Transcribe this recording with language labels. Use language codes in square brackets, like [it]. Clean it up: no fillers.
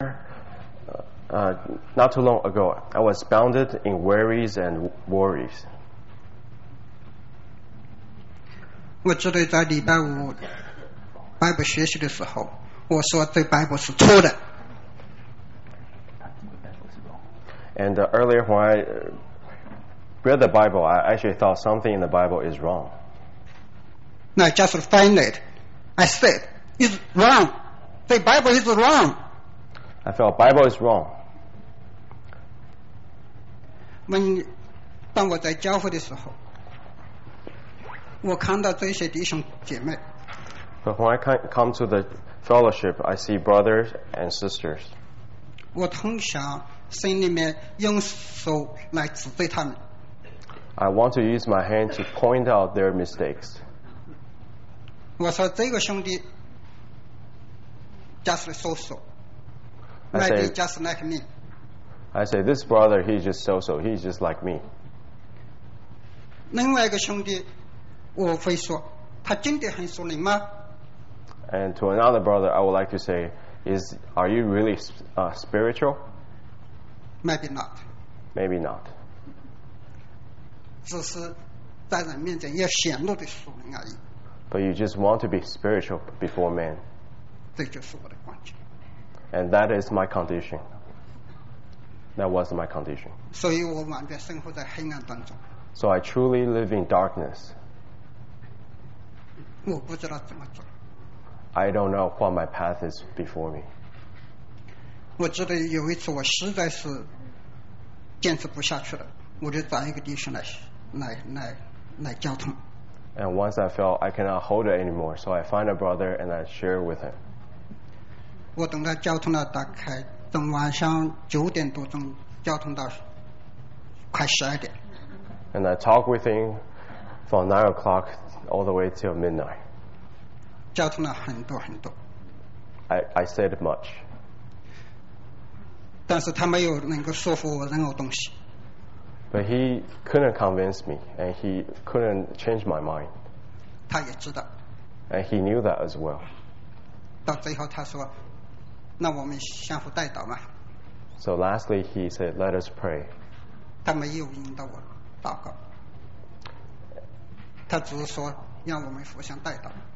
[en] Not too long ago, I was bounded in worries and worries. [zh] 我记得在礼拜五拜不学习的时候，我说这拜不是错的。 [en] And earlier when I read the Bible, I actually thought something in the Bible is wrong. No, just find it. I said, it's wrong. The Bible is wrong. I felt Bible is wrong. [zh] When 当我在教会的时候，我看到这些弟兄姐妹。 [en] But when I come to the fellowship, I see brothers and sisters. [zh] 我通常心里面用手来指责他们。 [en] I want to use my hand to point out their mistakes. [zh] 我说这个兄弟 [en] just so-so, maybe just like me. I say this brother, he's just so-so, he's just like me. [zh] 另外一个兄弟，我会说，他真的很属灵吗？ [en] And to another brother, I would like to say, are you really spiritual? Maybe not. Maybe not. [zh] 只是在人面前要显露的属灵而已。 [en] But you just want to be spiritual before man. [zh] 这就是我的关键。 [en] And that is my condition. That was my condition. [zh] 所以我完全生活在黑暗当中。 [en] So I truly live in darkness. [zh] 我不知道怎么走。 [en] I don't know what my path is before me. [zh] 我记得有一次我实在是坚持不下去了，我就找一个弟兄来交通。 [en] And once I felt I cannot hold it anymore, so I find a brother and I share with him. [zh] 我等他交通了大概等晚上九点多钟交通到快十二点。 [en] And I talk with him from 9 o'clock all the way till midnight. [zh] 交通了很多很多。 [en] I said much. [zh] 但是他没有能够说服我任何东西。 [en] But he couldn't convince me, and he couldn't change my mind. [zh] 他也知道。 [en] And he knew that as well. [zh] 到最后他说，那我们相互代祷嘛。 [en] So lastly, he said, "Let us pray." [zh] 他没有引导我祷告。他只是说让我们互相代祷。